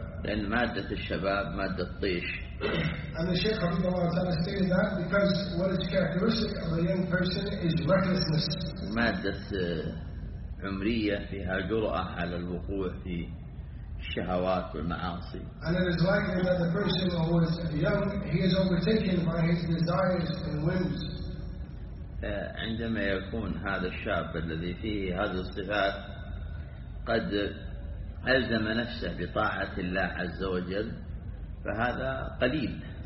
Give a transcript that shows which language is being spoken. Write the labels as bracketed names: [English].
[Arabic] لأن مادة الشباب مادة الطيش. [English] And the Shaykh of Allah Ta'ala stated that because what is characteristic of a young person is recklessness. [Arabic] مادة عمرية فيها جرأة على الوقوع في الشهوات والمعاصي. [English] And it is likely that the person who is young, he is overtaken by his desires and whims. [Arabic] عندما يكون هذا الشاب الذي فيه هذه الصفات قد ألزم نفسه بطاعة الله عز وجل فهذا قليل.